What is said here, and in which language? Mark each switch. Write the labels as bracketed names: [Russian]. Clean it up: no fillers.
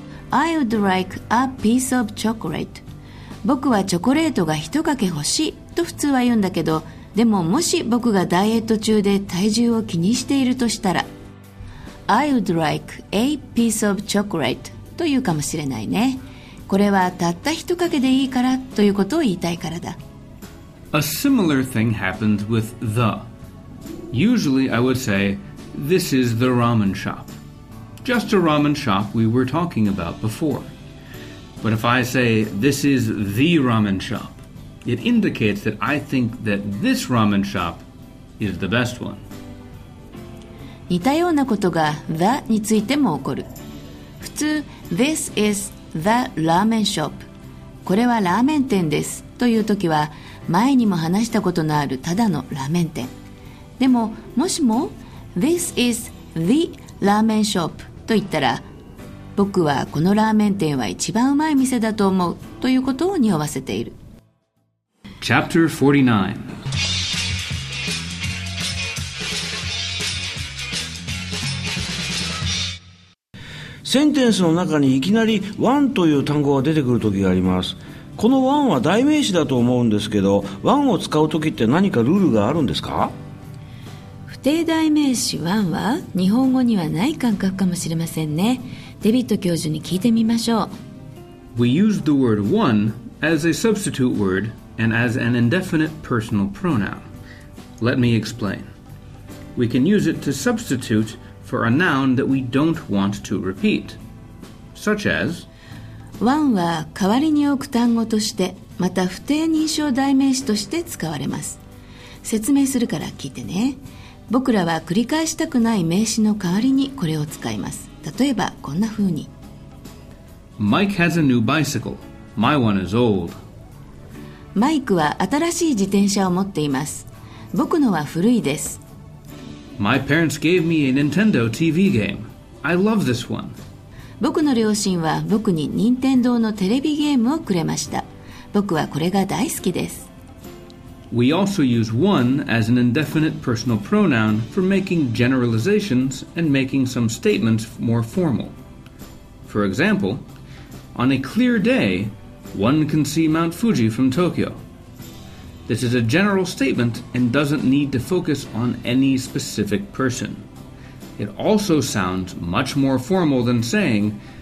[English] I would like a piece of chocolate. [Japanese] 僕はチョコレートが一かけ欲しいと普通は言うんだけど、でももし僕がダイエット中で体重を気にしているとしたら、 [English] I would like a piece of chocolate [Japanese] というかもしれないね。これはたった一かけでいいからということを言いたいからだ。 [English] A similar thing happens with the. Usually I would say, this is the ramen shop. Just a ramen shop we were talking about before. But if I say, this is the ramen shop,It indicates that I think that this ramen shop is the best one. [Japanese] 似たようなことが the についても起こる。普通 [English] this is the ramen shop、 [Japanese] これはラーメン店ですというときは、前にも話したことのあるただのラーメン店。でももしも [English] this is the ramen shop [Japanese] と言ったら、僕はこのラーメン店は一番うまい店だと思うということを匂わせている。 [English] Chapter 49. [Japanese] センテンスの中にいきなり one という単語が出てくるときがあります。この one は代名詞だと思うんですけど、one を使うときって何かルールがあるんですか？不定代名詞 one は日本語にはない感覚かもしれませんね。デビッド教授に聞いてみましょう。 [English] We use the word one as a substitute word. And as an indefinite personal pronoun. Let me explain. We can use it to substitute for a noun that we don't want to repeat, such as, [Japanese] one は代わりに置く単語として、また不定認証代名詞として使われます。説明するから聞いてね。僕らは繰り返したくない名詞の代わりにこれを使います。例えばこんな風に。 [English] Mike has a new bicycle. My one is old. [Japanese] マイクは新しい自転車を持っています。僕のは古いです。 [English] My parents gave me a Nintendo TV game. I love this one. [Japanese] 僕の両親は僕に任天堂のテレビゲームをくれました。僕はこれが大好きです。 [English] We also use one as an indefinite personal pronoun for making generalizations and making some statements more formal. For example, on a clear day,One can see Mount Fuji from Tokyo. This is a general statement and doesn't need to focus on any specific person. It also sounds much more formal than saying,